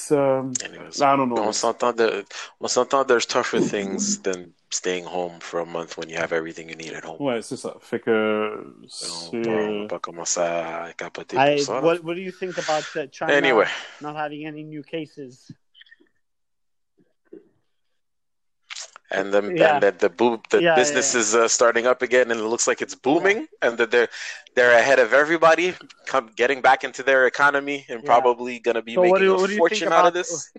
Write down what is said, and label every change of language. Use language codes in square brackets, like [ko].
[fr] On s'entend de [en] there's tougher things than staying home for a month when you have everything you need at home. [fr] Ouais, c'est ça. Fait que... On va pas commencer à capoter pour ça. [en] What do you think about China not having any new cases? And then businesses starting up again, and it looks like it's booming, and that they're ahead of everybody, getting back into their economy, and probably going to be making a fortune out of this.